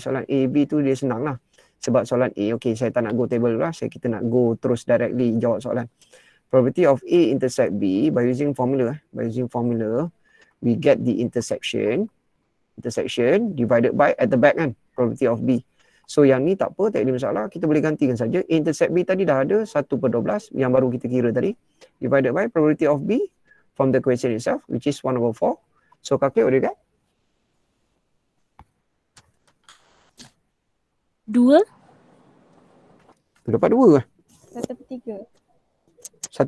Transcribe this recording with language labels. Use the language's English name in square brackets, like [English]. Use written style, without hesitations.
[Malay] Soalan A, B tu dia senang lah. Sebab soalan A, okay, saya tak nak go table lah. Saya kita nak go terus directly jawab soalan. [English] Probability of A intersect B by using formula. By using formula, we get the intersection. Intersection divided by at the back kan, probability of B. [Malay] So yang ni tak apa, tak ada masalah. Kita boleh gantikan saja. A intersect B tadi dah ada 1 per 12 yang baru kita kira tadi. [English] Divided by probability of B from the equation itself, which is 1 over 4. So calculate what you get? 2. [Malay] Dapat 2 ke? 1 per 3.